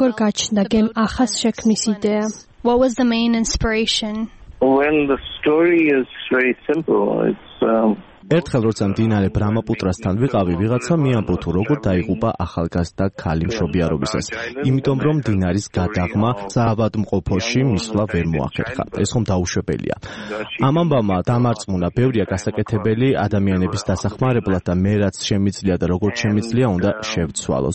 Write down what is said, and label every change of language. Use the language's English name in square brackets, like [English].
[Georgian] როგორ გაჩნდა გემ ახას შექმნის იდეა? [English] What was the main inspiration? When the story is very simple, it's [Georgian] ერთხელ როცა მდინარე ბრამაპუტრასთან ვიყავი, ვიღაცა მიამბო თუ როგორ დაიღუპა ახალგაზრდა ქალი მშობიარობისას, იმიტომ რომ მდინარის გადაღმა საავადმყოფოში მისვლა ვერ მოახერხა. ეს ხომ დაუშვებელია. ამ ამბავმა დამარწმუნა ბევრია გასაკეთებელი ადამიანების დასახმარებლად და მე რაც შემიძლია და როგორ შემიძლია უნდა შევცვალო.